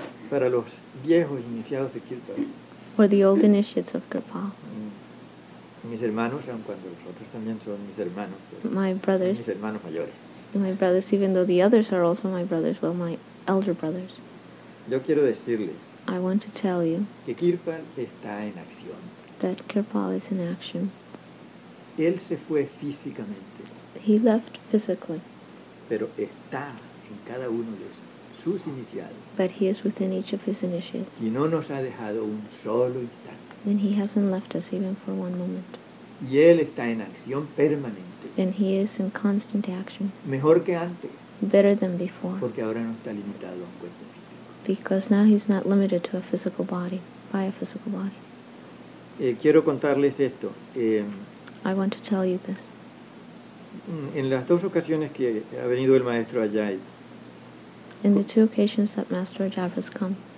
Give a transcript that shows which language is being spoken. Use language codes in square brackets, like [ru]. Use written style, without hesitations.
[es] Para los viejos iniciados de Kirpal. [en] For the old initiates of Kirpal. [es] Mis hermanos, aun cuando los otros también son mis hermanos. [en] My brothers. [es] Mis hermanos mayores. [en] My brothers, even though the others are also my brothers, well, my elder brothers. [es] Yo quiero decirles. [en] I want to tell you. [es] Que Kirpal está en acción. [en] That Kirpal is in action. [es] Él se fue físicamente. [en] He left physically. [es] Pero está en cada uno de sus iniciados. [en] But he is within each of his initiates. [es] Y no nos ha dejado un solo instante. [en] And he hasn't left us even for one moment. [es] Y él está en acción permanente. [en] And he is in constant action. [es] Mejor que antes. [en] Better than before. [es] Porque ahora no está limitado a un cuerpo físico. [en] Because now he's not limited to a physical body, by a physical body. [es] Quiero contarles esto. [en] I want to tell you this. [es] En las dos ocasiones que ha venido el maestro Ajay. [en] In the two occasions that Master Ajay has come.